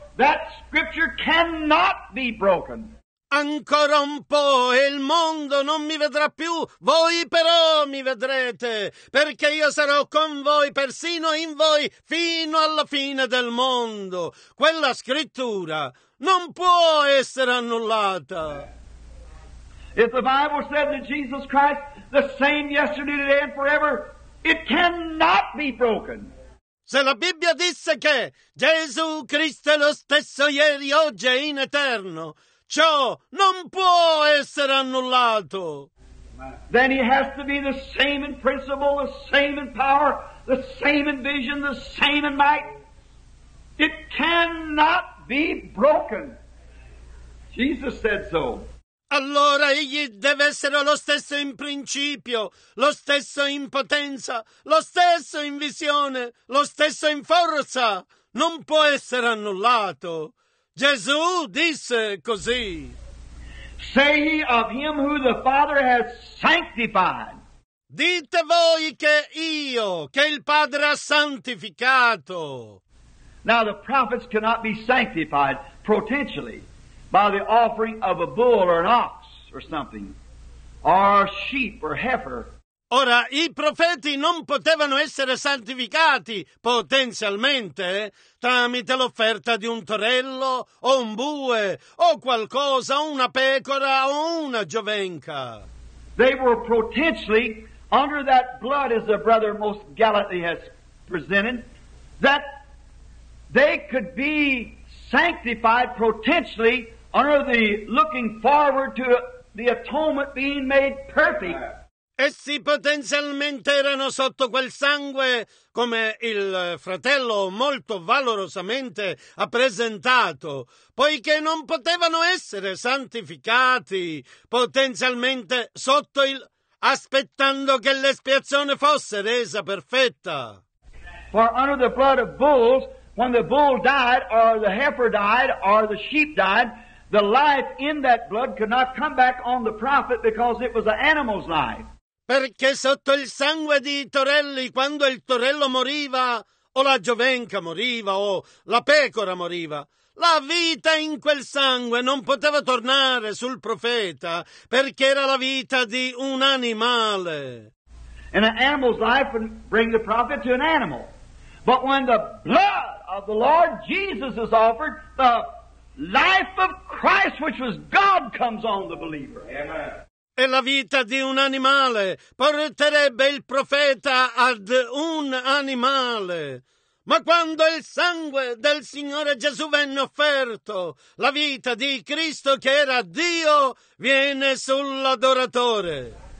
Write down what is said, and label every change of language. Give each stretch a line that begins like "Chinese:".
English: That scripture cannot be broken.
Italian: Ancora un po' e il mondo non mi vedrà più, voi però mi vedrete, perché io sarò con voi, persino in voi, fino alla fine del mondo. Quella scrittura non può essere annullata.
English: If the Bible said that Jesus Christ the same yesterday, today, and forever, it cannot be broken.
Italian: Se la Bibbia disse che Gesù Cristo è lo stesso ieri, oggi e in eterno, ciò non può essere annullato.
English: Then he has to be the same in principle, the same in power, the same in vision, the same in might. It cannot be broken. Jesus said so.
Italian: Allora egli deve essere lo stesso in principio, lo stesso in potenza, lo stesso in visione, lo stesso in forza. Non può essere annullato. Gesù disse così.
English: Say ye of him who the Father has sanctified.
Italian: Dite voi che io, che il Padre ha santificato.
English: Now the prophets cannot be sanctified potentially by the offering of a bull or an ox or something, or sheep or heifer.
Italian: Ora, i profeti non potevano essere santificati potenzialmente tramite l'offerta di un torello o un bue o qualcosa, una pecora o una giovenca.
English: They were potentially under that blood, as the brother most gallantly has presented, that they could be sanctified potentially under the looking forward to the atonement being made perfect.
Italian: Essi potenzialmente erano sotto quel sangue, come il fratello molto valorosamente ha presentato, poiché non potevano essere santificati potenzialmente sotto il... aspettando che l'espiazione fosse resa perfetta.
English: For under the blood of bulls, when the bull died, or the heifer died, or the sheep died, the life in that blood could not come back on the prophet because it was an animal's life.
Italian: Perché sotto il sangue di torelli, quando il torello moriva, o la giovenca moriva, o la pecora moriva, la vita in quel sangue non poteva tornare sul profeta, perché era la vita di un animale.
English: And an animal's life would bring the prophet to an animal. But when the blood of the Lord Jesus is offered, the life of Christ, which was God, comes on the believer. Amen.
Italian: E la vita di un animale porterebbe il profeta ad un animale. Ma quando il sangue del Signore Gesù venne offerto, la vita di Cristo che era Dio viene sull'adoratore.